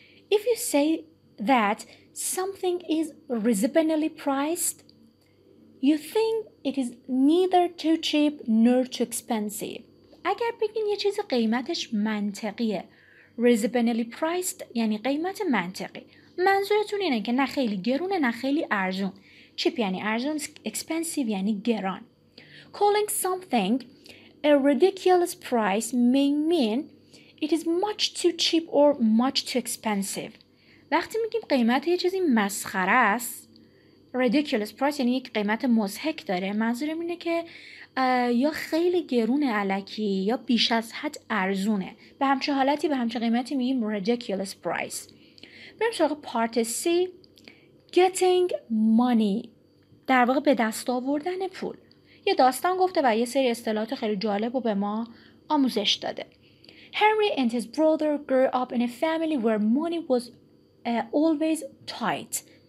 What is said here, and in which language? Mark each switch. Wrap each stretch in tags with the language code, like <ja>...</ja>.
<en>If you say that something is reasonably priced, you think it is neither too cheap nor too expensive.</en> <fa>اگر بگین یه چیز قیمتش منطقیه. Reasonably priced یعنی قیمت منطقی. منظورتون اینه که نه خیلی گرونه نه خیلی ارزون.</fa> <en>Cheap</en> <fa>یعنی ارزون.</fa> <en>Expensive</en> <fa>یعنی گران.</fa> <en>Calling something a ridiculous price may mean it is much too cheap or much too expensive.</en> <fa>وقتی میگیم قیمت یه چیزی مسخره است، ridiculous price یعنی یک قیمت مضحک داره، منظورم اینه که یا خیلی گرونه الکی یا بیش از حد ارزونه. به همچه حالتی به همچه قیمتی میگیم ridiculous price. بریم سراغ پارت C، getting money، در واقع به دست آوردن پول. یه داستان گفته و یه سری اصطلاحات خیلی جالب رو به ما آموزش داده.</fa> <en>Henry and his brother grew up in a family where money was always tight.</en>